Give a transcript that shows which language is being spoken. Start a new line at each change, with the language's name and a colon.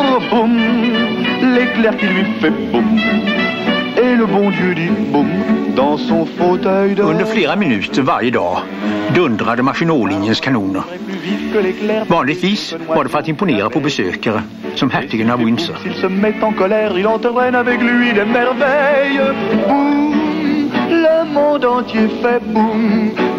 French: Boum, l'éclair qui lui fait boum. Et le bon Dieu dit boum, dans son fauteuil de...
Swedish: Under flera minuter varje dag dundrade Maginotlinjens kanoner. Vanligtvis var det för att imponera på besökare som hertigen av Windsor.
French: S'il se met en colère, il entraîne avec lui des merveilles. Boum, le monde entier fait boum.